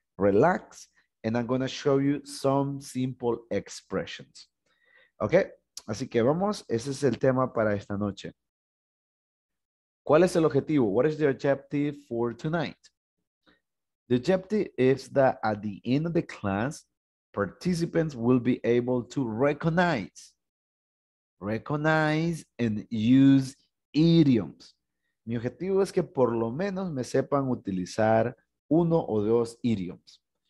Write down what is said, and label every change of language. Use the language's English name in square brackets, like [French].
[English] Relax, and I'm going to show you some simple expressions. [Spanish] Okay, así que vamos, ese es el tema para esta noche. ¿Cuál es el objetivo? [English] What is the objective for tonight? The objective is that at the end of the class, participants will be able to recognize and use idioms. [Spanish] Mi objetivo es que por lo menos me sepan utilizar uno o dos idioms.